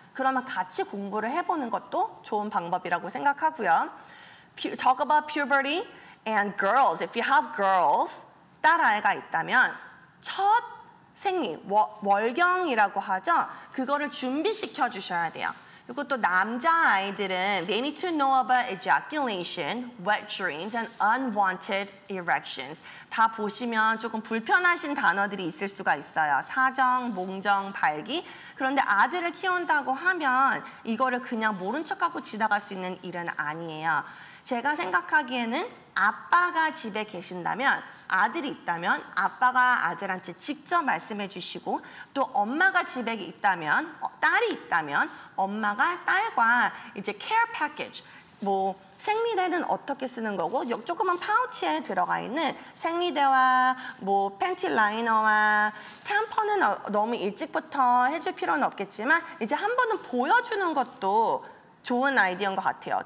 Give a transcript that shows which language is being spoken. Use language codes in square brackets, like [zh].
[ko] 그러면 같이 공부를 해보는 것도 좋은 방법이라고 생각하고요. [en] Talk about puberty and girls. If you have girls, [ko] 딸아이가 있다면 첫 생리, 월경이라고 하죠. 그거를 준비시켜 주셔야 돼요. 그리고 또 남자아이들은 [en] they need to know about ejaculation, wet dreams, and unwanted erections. [ko] 다 보시면 조금 불편하신 단어들이 있을 수가 있어요. 사정, 몽정, 발기. 그런데 아들을 키운다고 하면 이거를 그냥 모른 척하고 지나갈 수 있는 일은 아니에요. 제가 생각하기에는 아빠가 집에 계신다면, 아들이 있다면 아빠가 아들한테 직접 말씀해 주시고 또 엄마가 집에 있다면, 딸이 있다면 엄마가 딸과 이제 care package, 뭐 생리대는 어떻게 쓰는 거고 조그만 파우치에 들어가 있는 생리대와 뭐 팬티 라이너와 템퍼는 너무 일찍부터 해줄 필요는 없겠지만 이제 한 번은 보여주는 것도 좋은 아이디어인 것 같아요.